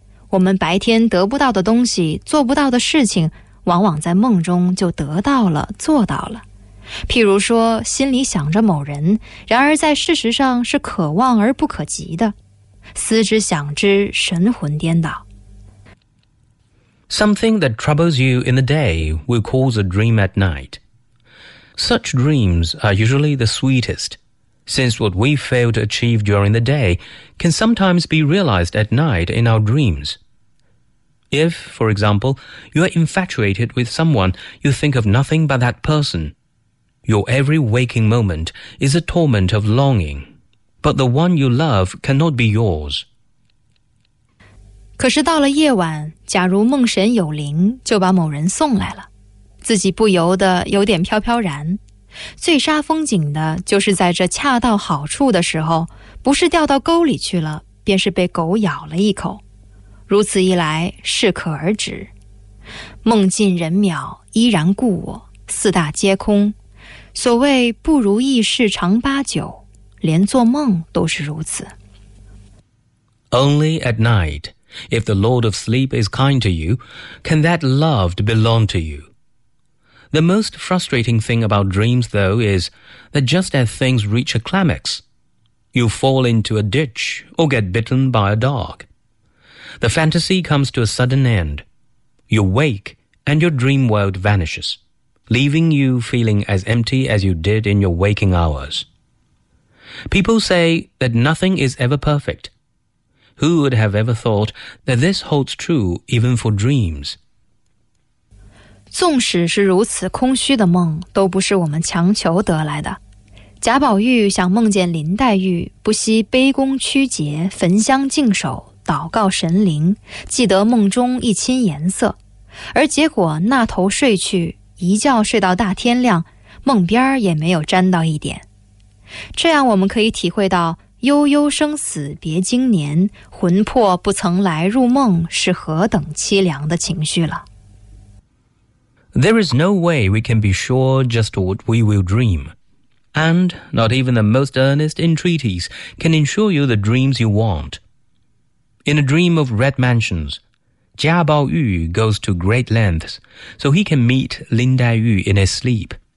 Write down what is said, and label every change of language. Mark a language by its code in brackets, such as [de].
[zh] 我们白天得不到的东西，做不到的事情，往往在梦中就得到了，做到了。譬如说，心里想着某人，然而在事实上是可望而不可及的，思之想之，神魂颠倒。 [en] Something that troubles you in the day will cause a dream at night. Such dreams are usually the sweetest, since what we fail to achieve during the day can sometimes be realized at night in our dreams. If, for example, you are infatuated with someone, you think of nothing but that person. Your every waking moment is a torment of longing, but the one you love cannot be yours. [zh] 可是到了夜晚，假如梦神有灵，就把某人送来了，自己不由得有点飘飘然。最煞风景的就是在这恰到好处的时候，不是掉到沟里去了，便是被狗咬了一口。如此一来，适可而止。梦尽人渺，依然故我，四大皆空。所谓不如意事常八九，连做梦都是如此。 [en] Only at night, if the Lord of Sleep is kind to you, can that loved belong to you. The most frustrating thing about dreams, though, is that just as things reach a climax, you fall into a ditch or get bitten by a dog. The fantasy comes to a sudden end. You wake and your dream world vanishes, leaving you feeling as empty as you did in your waking hours. People say that nothing is ever perfect. Who would have ever thought that this holds true even for dreams? [zh] 纵使是如此空虚的梦，都不是我们强求得来的。贾宝玉想梦见林黛玉，不惜卑躬屈节，焚香净手，祷告神灵，记得梦中一亲颜色，而结果那头睡去，一觉睡到大天亮，梦边也没有沾到一点。这样我们可以体会到悠悠生死别经年，魂魄不曾来入梦，是何等凄凉的情绪了。 [en] There is no way we can be sure just what we will dream. And not even the most earnest entreaties can ensure you the dreams you want. In a dream of red mansions, 贾宝玉 goes to great lengths so he can meet 林黛玉 in his sleep.